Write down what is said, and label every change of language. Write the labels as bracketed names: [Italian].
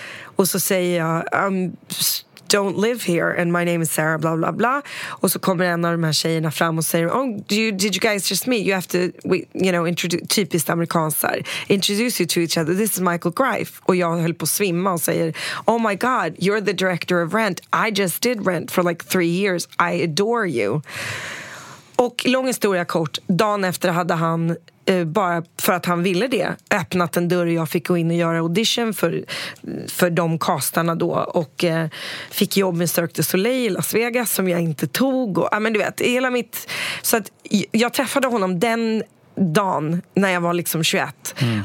[Swedish] Och så säger jag, [English] I don't live here and my name is Sarah, bla bla bla. Och så kommer en av de här tjejerna fram och säger, oh, did you guys just meet? You have to, [Swedish] typiskt amerikanser, [English] introduce you to each other. This is Michael Greif. [Swedish] Och jag höll på att svimma och säger, [English] oh my god, you're the director of Rent. I just did Rent for like 3 years. I adore you. [Swedish] Och lång historia kort, dagen efter hade han, bara för att han ville det, öppnat en dörr och jag fick gå in och göra audition för de castarna då. Och fick jobb med Cirque du Soleil i Las Vegas som jag inte tog. Och, men du vet, hela mitt... Så att jag träffade honom den dagen när jag var liksom 21. Mm.